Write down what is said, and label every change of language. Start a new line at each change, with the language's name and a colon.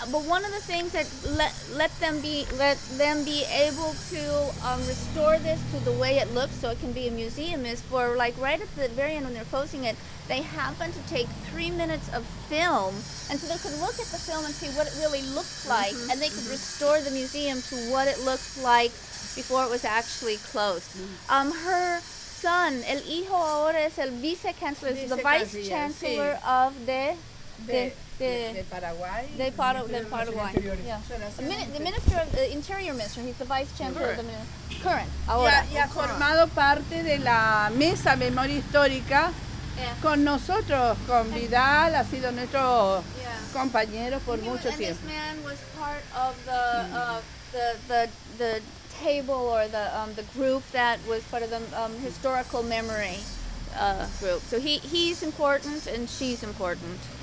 English: But one of the things that let them be able to restore this to the way it looks, so it can be a museum, is for like right at the very end when they're closing it, they happen to take 3 minutes of film, and so they could look at the film and see what it really looked like, and they could restore the museum to what it looked like before it was actually closed. Mm-hmm. Her son,
Spanish: el hijo ahora es el vicecanciller, es
English: the vice chancellor of
Spanish: De Paraguay.
English: Yeah. The Minister of the Interior Minister, he's the Vice Chancellor of the Minister. Current. Ahora.
Spanish: Y ha formado parte de la Mesa Memoria Histórica con nosotros, con Vidal, ha sido nuestro compañero por mucho tiempo.
English: This man was part of the table or the group that was part of the historical memory group. So he's important and she's important.